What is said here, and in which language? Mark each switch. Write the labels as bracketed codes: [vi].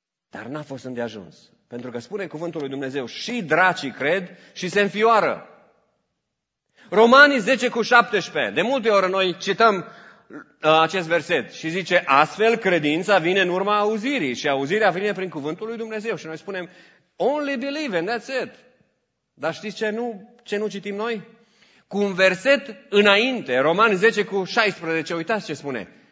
[ro] Dar n-a fost îndeajuns. Pentru că spune cuvântul lui Dumnezeu, și dracii cred și se înfioară. Romanii 10:17. De multe ori noi cităm acest verset și zice, astfel credința vine în urma auzirii și auzirea vine prin cuvântul lui Dumnezeu. Și noi spunem, [en] only believe and that's it. [ro] Dar știți ce nu citim noi? Cu un verset înainte, Romani 10:16, uitați ce spune.